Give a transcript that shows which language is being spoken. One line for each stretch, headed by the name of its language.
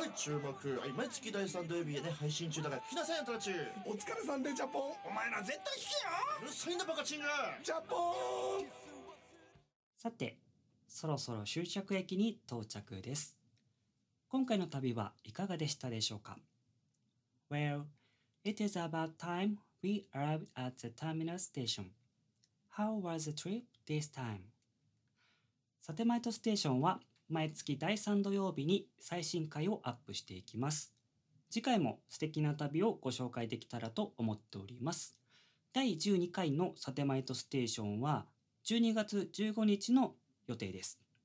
Japanese: はい、注目、はい、毎月第3土曜日で、ね、配信中だから聞きなさい。アントラチお疲れさんでジャポン。お前ら絶対聞けよ。うるさいんだバカチング。ジャポン。さて、そろそろ終着駅に到着です。今回の旅はいかがでしたでしょうか。
English: Well, it is about time we arrived at the terminal station. How was the trip this time?
Japanese: サテマイトステーションは毎月第3土曜日に最新回をアップしていきます。次回も素敵な旅をご紹介できたらと思っております。第12回のサテマイトステーションは12月15日の予定です。